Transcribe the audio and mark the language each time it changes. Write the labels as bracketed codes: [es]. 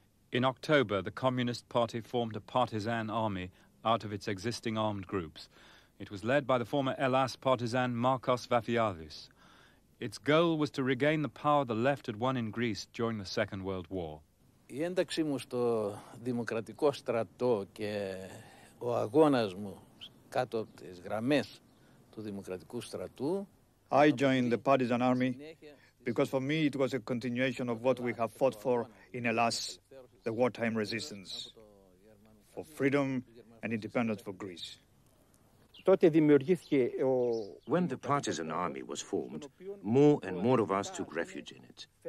[en] In October, the Communist Party formed a partisan army out of its existing armed groups. It was led by the former Elas partisan Marcos Vafiadis. Its goal was to regain the power the left had won in Greece during the Second World War. [el] Η ένταξή μου στο δημοκρατικό στρατό και ο αγώνας μου κάτω από τις γραμμές του δημοκρατικού στρατού. [en] I joined the partisan army because for me it was a continuation of what we have fought for in Elas, the wartime resistance, for freedom and independence for Greece. When the partisan army was formed, more and more of us took refuge in it.